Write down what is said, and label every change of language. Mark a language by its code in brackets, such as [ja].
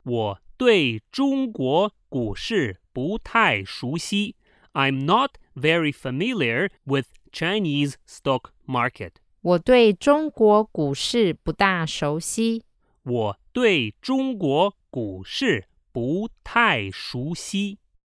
[zh] 我对中国股市不太熟悉。 [en] I'm not very familiar with Chinese stock market. [zh] 我对中国股市不大熟悉。我对中国股市不太熟悉。